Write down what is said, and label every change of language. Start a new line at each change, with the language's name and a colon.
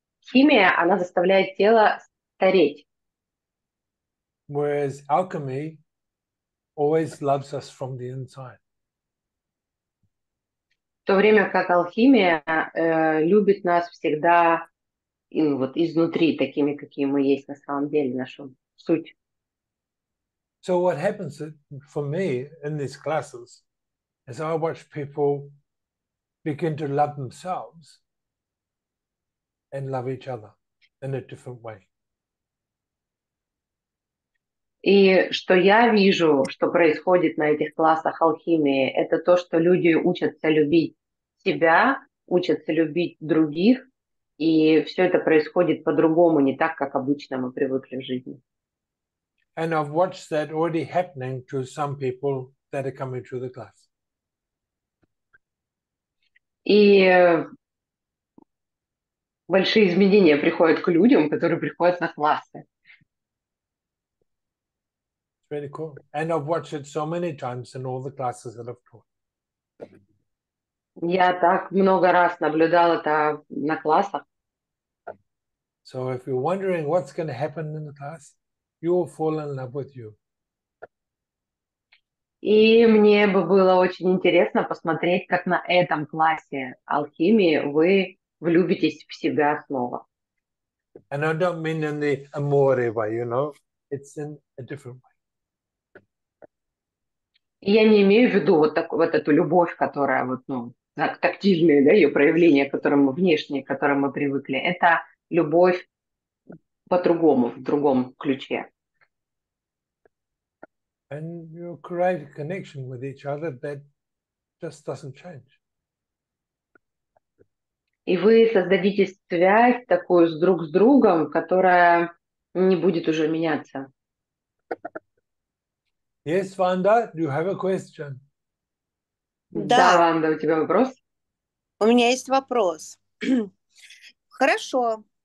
Russian: Химия, она заставляет тело стареть.
English: Whereas alchemy always loves us from the inside.
Russian: В то время как алхимия любит нас всегда вот изнутри, такими, какие мы есть на самом деле, нашу суть.
English: So what happens for me in these classes is I watch people begin to love themselves and love each other in a different way.
Russian: И что я вижу, что происходит на этих классах алхимии, это то, что люди учатся любить себя, учатся любить других, и все это происходит по-другому, не так, как обычно мы привыкли в жизни.
English: And I've watched that already happening to some people that are coming through the class.
Russian: И большие изменения приходят к людям, которые приходят на классы.
English: It's really cool. And I've watched it so many times in all the classes that I've taught.
Russian: Я так много раз наблюдал это на классах.
English: So if you're wondering what's going to happen in the class, you will fall in love with you.
Russian: И мне бы было очень интересно посмотреть, как на этом классе алхимии вы влюбитесь в себя снова.
English: And I don't mean in the amore way, you know. It's in a different way.
Russian: Я не имею в виду вот такую вот эту любовь, которая вот, ну, тактильное, да, ее проявление, которое мы внешне, к которому мы привыкли. Это любовь по-другому, в другом ключе.
English: And you create a connection with each other that just doesn't change.
Russian: И вы создадите связь такую с друг с другом, которая не будет уже меняться.
English: Yes, Wanda, you have a question.
Russian: Да. Да, Ванда, у тебя вопрос? У меня есть вопрос. Хорошо.